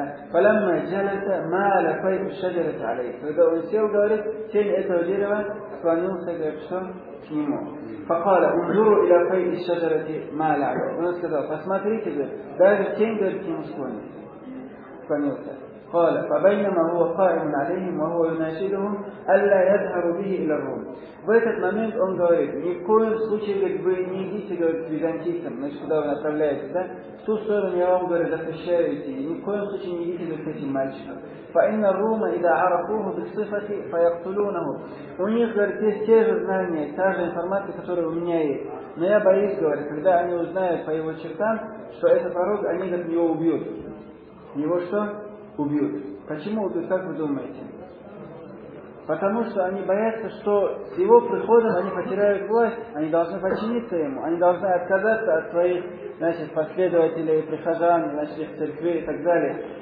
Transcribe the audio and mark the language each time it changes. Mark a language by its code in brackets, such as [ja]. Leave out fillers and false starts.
[ar] «Фаламма джалата ма лакайту шаджарата алейхи». [ru] Когда он сел, говорит, тень этого дерева склонился, говорит, что? К нему. [ar] «Факала унжуру иля кайти шаджарати ма лакайту». [ru] Он сказал, посмотрите, говорит, даже тень, говорит, к нему склонился. [ar] قال فبينما هو قائم عليهم وهو يناشدهم الا يذهب به الى الروم. [ru] В этот момент он говорит, ни в коем случае вы не идите, говорит, к византийцам, значит, куда вы направляетесь, да? В ту сторону я вам, говорит, запрещаю идти, ни в коем случае не идите к этим мальчикам. [ar] فإن الروم إذا عرفوه بالصفة فيقتلونه. [ru] У них, говорит, есть те же знания, та же информация, которая у меня есть. Но я боюсь, говорит, когда они узнают по его чертам, что этот пророк, они, говорит, его убьют. Его что? Убьют. Почему вы так думаете? Потому что они боятся, что с его приходом они потеряют власть, они должны подчиниться ему, они должны отказаться от своих, значит, последователей, прихожан, значит, их церкви и так далее.